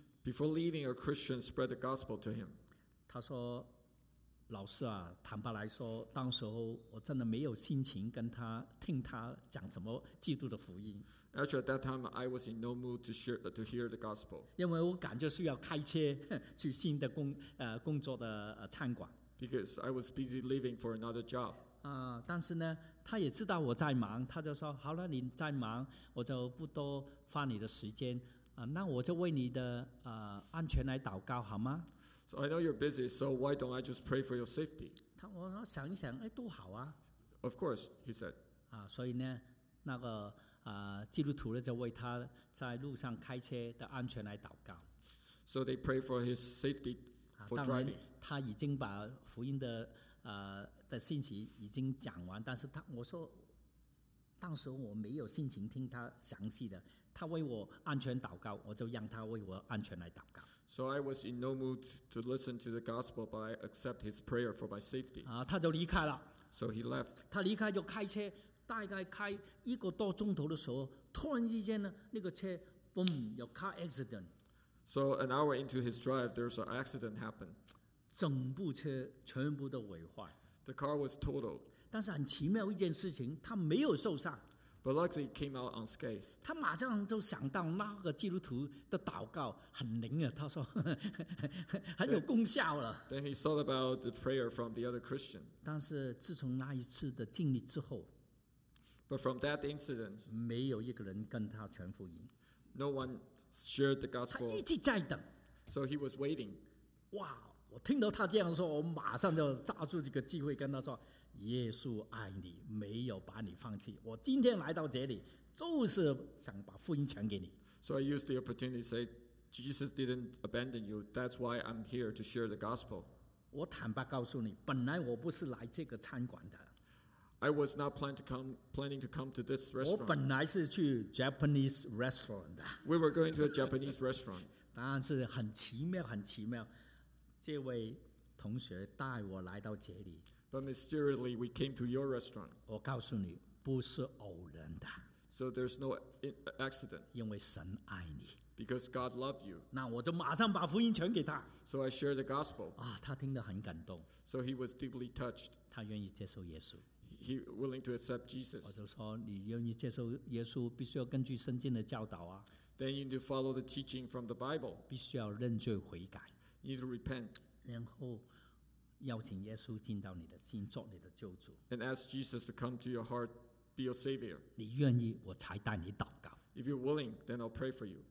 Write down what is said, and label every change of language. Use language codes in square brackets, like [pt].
[en] Before leaving, a Christian spread the gospel to him. [zh] 他说：“老师啊，坦白来说，当时候我真的没有心情跟他听他讲什么基督的福音。” [en] Actually, at that time, I was in no mood to share to hear the gospel. [zh] 因为我感觉需要开车去新的工作的餐馆。 [en] Because I was busy leaving for another job. [zh] 但是呢，他也知道我在忙，他就说：“好了，你在忙，我就不多花你的时间。那我就为你的安全来祷告，好吗？” [en] So I know you're busy, so why don't I just pray for your safety? [zh] 我想一想，哎，多好啊！ [en] Of course, he said. [zh] 所以呢，那个基督徒就为他在路上开车的安全来祷告。 [en] So they pray for his safety for driving. [zh] 当然，他已经把福音的信息已经讲完，但是我说，当时我没有心情听他详细的。他为我安全祷告，我就让他为我安全来祷告。 [en] So I was in no mood to listen to the gospel, but I accept his prayer for my safety. [zh] 他就离开了。 [en] So he left. [zh] 他离开就开车。大概开一个多钟头的时候，突然之间呢，那个车 boom 有 [en] car accident。 So an hour into his drive, there's an accident happened. [zh] 整部车全部都毁坏。 [en] The car was totaled. [zh] 但是很奇妙一件事情，他没有受伤。 [en] But luckily came out unscathed. [zh] 他马上就想到那个基督徒的祷告很灵啊，他说很有功效了。 [en] Then he thought about the prayer from the other Christian. [zh] 但是自从那一次的经历之后。 [en] But from that incident, [zh] 没有一个人跟他传福音。 [en] No one shared the gospel. [zh] 他一直在等。 [en] So he was waiting. 哇！ [zh] 我听到他这样说，我马上就抓住这个机会跟他说：“耶稣爱你，没有把你放弃。我今天来到这里，就是想把福音传给你。” [en] So I used the opportunity to say, "Jesus didn't abandon you. That's why I'm here to share the gospel." [zh] 我坦白告诉你，本来我不是来这个餐馆的。 [en] I was not planning to come to this restaurant. [zh] 我本来是去 [en] Japanese restaurant [zh] 的。 [en] We were going to a Japanese restaurant. [zh] 但是很奇妙，很奇妙，这位同学带我来到这里。 [en] But mysteriously, we came to your restaurant. [zh] 我告诉你，不是偶然的。 [en] So there's no accident. [zh] 因为神爱你。 [en] Because God loved you. [zh] 那我就马上把福音传给他。 [en] So I shared the gospel. [zh] 啊，他听得很感动。 [en] So he was deeply touched. [zh] 他愿意接受耶稣。 [en] He willing to accept Jesus. [zh] 我就说，你愿意接受耶稣，必须要根据圣经的教导啊。 [en] Then you need to follow the teaching from the Bible. [zh] 必须要认罪悔改。 [en] You need to repent. [zh] 然后邀请耶稣进到你的心，做你的救主。 [en] And ask Jesus to come to your heart, be your savior. [zh] 你愿意，我才带你祷告。 [en] If you're willing, then I'll pray for you.